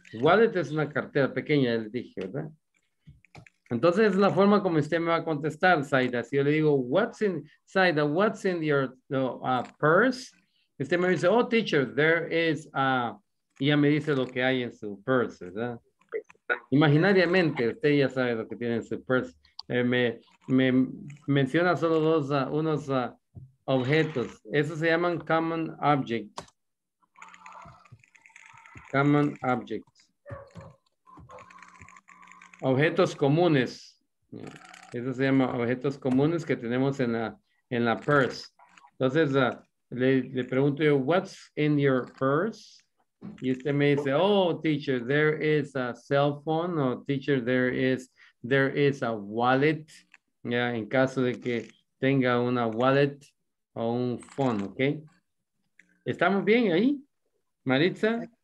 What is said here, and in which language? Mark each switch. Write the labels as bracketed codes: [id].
[es] Wallet es una cartera pequeña, le dije, ¿verdad? Entonces, es la forma como usted me va a contestar, Zaida. Si yo le digo, [en] what's in, Zaida, what's in your purse? [es] Usted me dice, [en] oh, teacher, there is a... [es] Y ya me dice lo que hay en su purse, ¿verdad? Imaginariamente, usted ya sabe lo que tiene en su purse. Me menciona solo dos, unos... objetos. Eso se llaman common object. [en] Common object. [es] Objetos comunes. Eso se llama objetos comunes que tenemos en la purse. Entonces, le pregunto yo, [en] what's in your purse? [es] Y usted me dice, [en] oh, teacher, there is a cell phone. O teacher, there is a wallet. [es] Yeah, en caso de que tenga una wallet. O un phone, ¿ok? ¿Estamos bien ahí? Maritza?